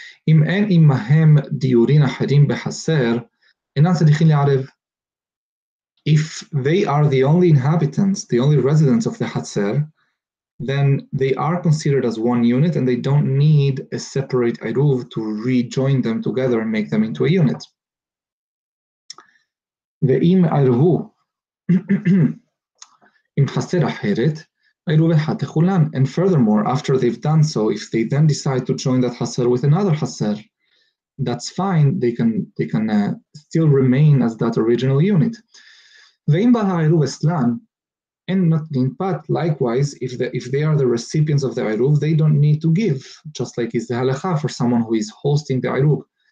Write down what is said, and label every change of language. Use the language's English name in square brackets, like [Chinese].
[Hebrew] אם אין אימהם דיורין אחרים בחסר, אינם צריכים לערב. [English] If they are the only inhabitants, the only residents of the Hatser, then they are considered as one unit and they don't need a separate Eruv to rejoin them together and make them into a unit. [Hebrew] ואם ערבו עם חסר אחרת, Eruv אחד תכולן. [English] And furthermore, after they've done so, if they then decide to join that Hatser with another Hatser, that's fine, they can still remain as that original unit. [Hebrew] ואם בעל העירוב אסלן, אין נותנים פת, [English] likewise, if they are the recipients of the עירוב, they don't need to give, just like is the halakha for someone who is hosting the עירוב.